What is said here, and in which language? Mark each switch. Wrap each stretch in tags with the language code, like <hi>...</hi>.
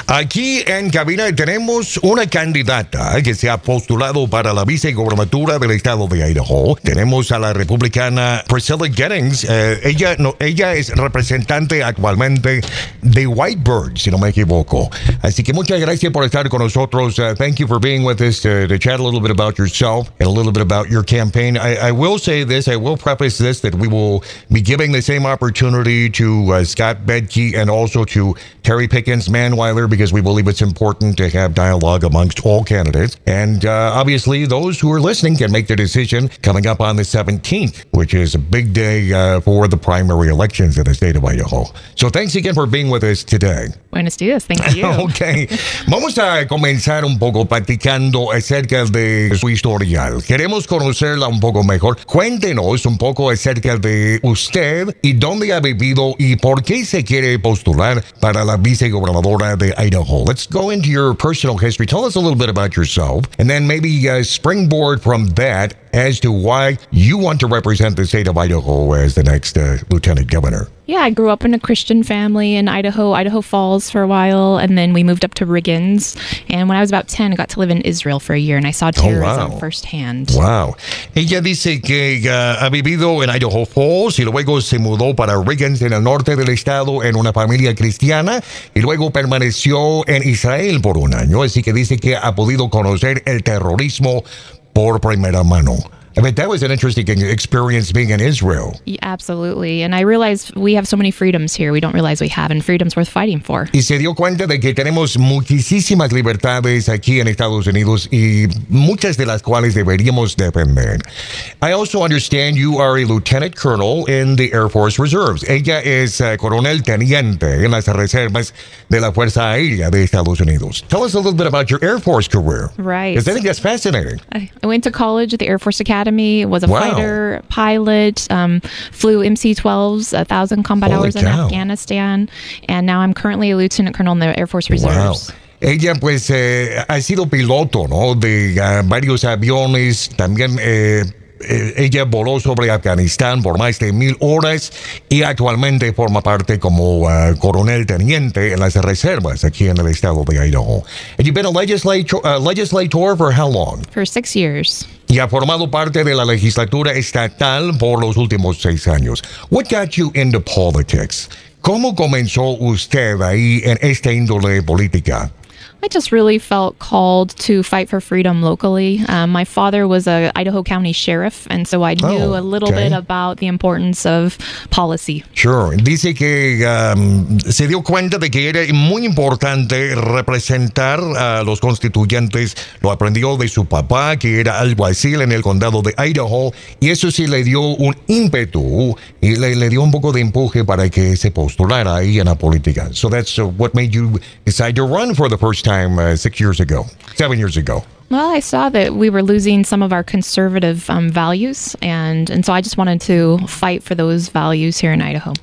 <es>Aquí en cabina tenemos una candidata que se ha postulado para la vicegobernatura del estado de Idaho. Tenemos a la republicana Priscilla Gettings. Ella es representante actualmente de Whitebird, si no me equivoco. Así que muchas gracias por estar con nosotros.</es> <en>Thank you for being with us to chat a little bit about yourself and a little bit about your campaign. I will preface this, that we will be giving the same opportunity to Scott Bedke and also to Terry Pickens, Manweiler, because we believe it's important to have dialogue amongst all candidates. And obviously, those who are listening can make their decision coming up on the 17th, which is a big day for the primary elections in the state of Idaho. So thanks again for being with us today.</en> <es>Buenos dias.</es> <en>Thank you.</en> <es>Okay. Vamos a comenzar un poco platicando acerca de su historial. Queremos conocerla un poco mejor. Cuéntenos un poco acerca de usted y dónde ha vivido y por qué se quiere postular para la vicegobernadora de Idaho.</es> <en>Let's go into your personal history. Tell us a little bit about yourself and then maybe springboard from that as to why you want to represent the state of Idaho as the next lieutenant governor. Yeah, I grew up in a Christian family in Idaho Falls for a while, and then we moved up to Riggins. And when I was about 10, I got to live in Israel for a year, and I saw terrorism firsthand. Wow.</en> <es>Ella dice que ha vivido en Idaho Falls, y luego se mudó para Riggins en el norte del estado en una familia cristiana, y luego permaneció en Israel por un año. Así que dice que ha podido conocer el terrorismo por primera mano.</es> <en>I mean, that was an interesting experience being in Israel. Yeah, absolutely. And I realize we have so many freedoms here we don't realize we have, and freedoms worth fighting for.</en> <es>Y se dio cuenta de que tenemos muchísimas libertades aquí en Estados Unidos y muchas de las cuales deberíamos defender.</es> <en>I also understand you are a lieutenant colonel in the Air Force Reserves.</en> <es>Ella es coronel teniente en las reservas de la Fuerza Aérea de Estados Unidos.</es> <en>Tell us a little bit about your Air Force career. Right. Because I think that's fascinating. I went to college at the Air Force Academy, was a fighter, pilot, flew MC-12s, 1,000 combat Holy hours cow. In Afghanistan, and now I'm currently a lieutenant colonel in the Air Force Reserves. Wow.</en> <es>Ella, pues, ha sido piloto, ¿no?, de varios aviones, también, ella voló sobre Afganistán por más de 1,000 horas y actualmente forma parte como coronel teniente en las reservas aquí en el estado de Idaho.</es> <en>And you've been a legislator for how long? For 6 years.</en> <es>Y ha formado parte de la legislatura estatal por los últimos 6 años.</es> <en>What got you into politics?</en> <es>¿Cómo comenzó usted ahí en esta índole política?</es> <en>I just really felt called to fight for freedom locally. My father was a Idaho County Sheriff, and so I knew a little bit about the importance of policy. Sure.</en> <es>Dice que se dio cuenta de que era muy importante representar a los constituyentes. Lo aprendió de su papá, que era alguacil en el condado de Idaho, y eso sí le dio un ímpetu y le dio un poco de empuje para que se postulara ahí en la política.</es> <en>So that's what made you decide to run for the first time 6 years ago, 7 years ago. Well, I saw that we were losing some of our conservative values, and so I just wanted to fight for those values here in Idaho.</en>